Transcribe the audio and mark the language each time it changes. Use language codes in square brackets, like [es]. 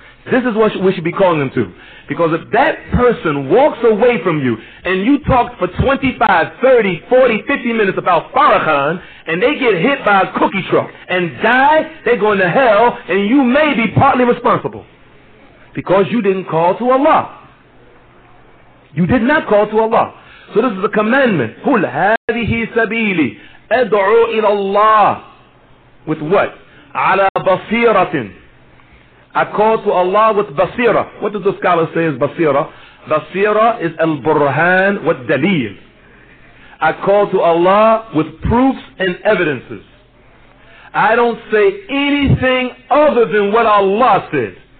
[en] This is what we should be calling them to. Because if that person walks away from you and you talk for 25, 30, 40, 50 minutes about Farrakhan and they get hit by a cookie truck and die, they're going to hell and you may be partly responsible. Because you didn't call to Allah. You did not call to Allah. So this is a commandment. [ar] قُلْ هَذِهِ سَبِيلِي أَدْعُوا إِلَى اللَّهِ [en] With what? [ar] عَلَى بَصِيرَةٍ [en] I call to Allah with basira. What do the scholars say is basira? Basira is al-burhan wa dalil. I call to Allah with proofs and evidences. I don't say anything other than what Allah said.